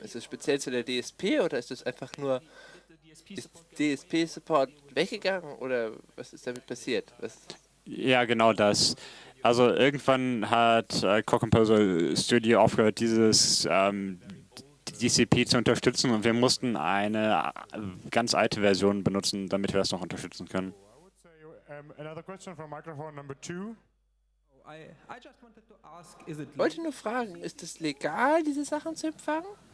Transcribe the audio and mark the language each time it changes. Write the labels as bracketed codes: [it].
[de] Ist es speziell zu der DSP oder ist es einfach nur DSP-Support weggegangen oder was ist damit passiert? Ja, genau das. Also irgendwann hat Code Composer Studio aufgehört, dieses DCP zu unterstützen, und wir mussten eine ganz alte Version benutzen, damit wir das noch unterstützen können. [en] Another question from microphone number 2. I just wanted to ask, is it legal? [de] Wollte nur fragen, ist es legal, diese Sachen zu empfangen?